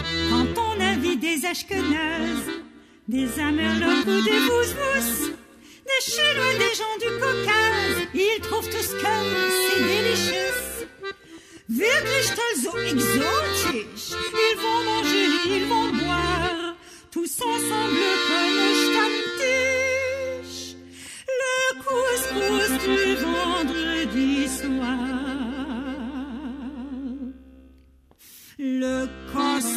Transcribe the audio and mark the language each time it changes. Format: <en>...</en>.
<fr>Quand on a vu des ashkenazes, des amerlocs ou des bousbous, des chinois, des gens du Caucase, ils trouvent tout ce que c'est délicieux.</fr> <de>Wirklich toll so exotisch.</de> <fr>Ils vont manger, ils vont boire, tous ensemble comme un Stammtisch. Le couscous du vendredi soir. Le couscous.</fr>